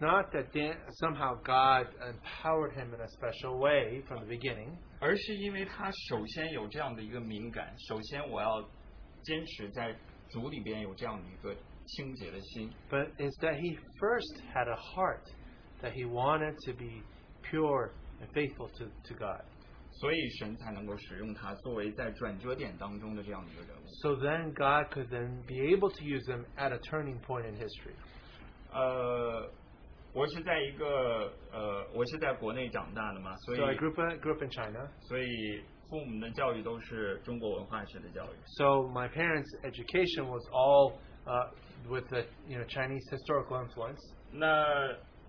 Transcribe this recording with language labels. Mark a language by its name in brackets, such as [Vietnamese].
[English] not that somehow God empowered him in a special way from the beginning. [Chinese] 而是因为他首先有这样的一个敏感，首先我要坚持在主里边有这样的一个清洁的心。But [English] instead he first had a heart that he wanted to be pure and faithful to God. [Chinese] 所以神才能够使用他作为在转折点当中的这样的一个人物。So [English] then God could then be able to use him at a turning point in history. [Chinese] 我是在国内长大的嘛，所以。So [English] I grew up in China. [Chinese] 所以父母的教育都是中国文化史的教育。So [English] my parents' education was all with the Chinese historical influence.